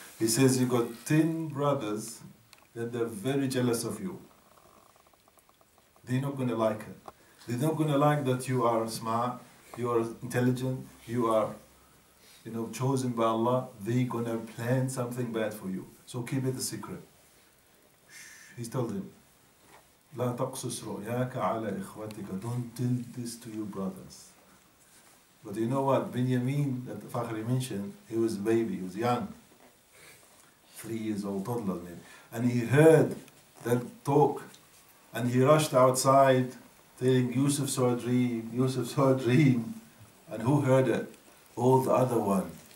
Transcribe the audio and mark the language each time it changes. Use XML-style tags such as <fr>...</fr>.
<en>He says, you got 10 brothers that they're very jealous of you. They're not going to like it. They're not going to like that you are smart, you are intelligent, you are, you know, chosen by Allah. They're going to plan something bad for you. So keep it a secret. He told him,</en> <ar>لَا تَقْصُصْ رُؤْيَاكَ عَلَىٰ إِخْوَتِكَ.</ar> <en>Don't tell this to your brothers. But you know what? Benjamin, that Fakhri mentioned, he was a baby, he was young. 3 years old, toddler maybe. And he heard that talk. And he rushed outside, telling Yusuf saw a dream, Yusuf saw a dream. And who heard it? All the other one.</en>